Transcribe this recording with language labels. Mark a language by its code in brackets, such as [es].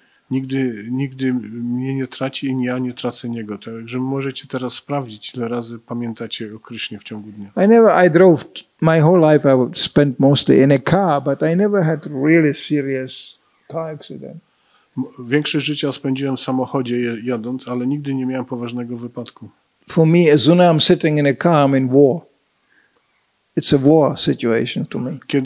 [pl] nigdy mnie nie traci i ja nie tracę niego. Także możecie teraz sprawdzić, ile razy pamiętacie o Krishnie w ciągu dnia. [en] I drove my whole life, I spent mostly in a car, but I never had really serious car accident. [pl] Większość życia spędziłem w samochodzie jadąc, ale nigdy nie miałem poważnego wypadku. [en] For me, as soon as I'm sitting in a car, I'm in war. It's a war situation to me.